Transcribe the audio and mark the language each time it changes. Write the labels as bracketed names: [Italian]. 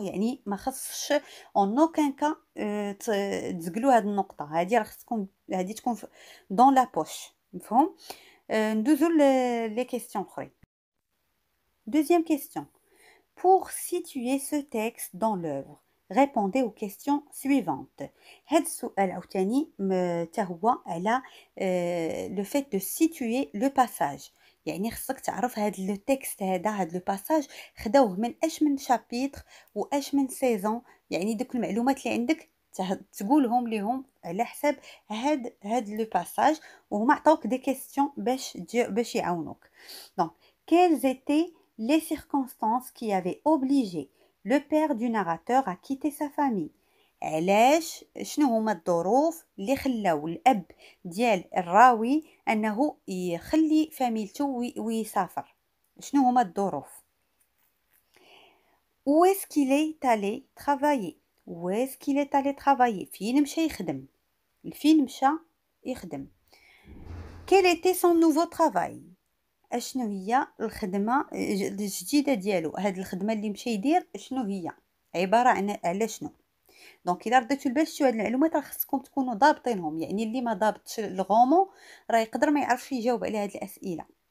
[Arabic] يعني ما خصش اون اوكان كا تزقلوا هاد النقطه. هادي راه خصكم هادي تكون دون لا بوش. مفهوم. ندوزو لي كيسيون اخرين. دوزيام كيسيون. [French] بور سيتوي سو تيكست دون لوفر. Répondez aux questions suivantes. [Arabic] هذا السؤال عاوتاني تا هو على لو فيت دو سيتوي لو باساج. يعني خصك تعرف هذا لو تيكست هذا لو باساج خداوه من اش من شابيتر واش من سيزون. يعني دوك المعلومات اللي عندك تقولهم ليهم على حساب هذا لو باساج وهما عطاوك دي كيستيون باش يعاونوك. [French] دونك كيلز ايتي لي سيركونستانس كي افي اوبليجي Le père du narrateur a quitté sa famille. [Arabic] علاش شنو هما الظروف اللي خلاو الاب ديال الراوي انه يخلي فاميلتو ويسافر. شنو هما الظروف. [French] Où est-ce qu'il est allé travailler. Où est-ce qu'il est allé travailler. [Arabic] فين مشى يخدم. فين مشى يخدم. [French] Quel était son nouveau travail. [Arabic] اشنو هي الخدمه الجديده ديالو. هاد الخدمه اللي مشى يدير اشنو هي عباره عن على شنو. دونك الا رديتو البال شتو هاد المعلومات راه خصكم تكونوا ضابطينهم، يعني اللي ما ضابطش الرومون راه يقدر ما يعرفش يجاوب على هاد الاسئله.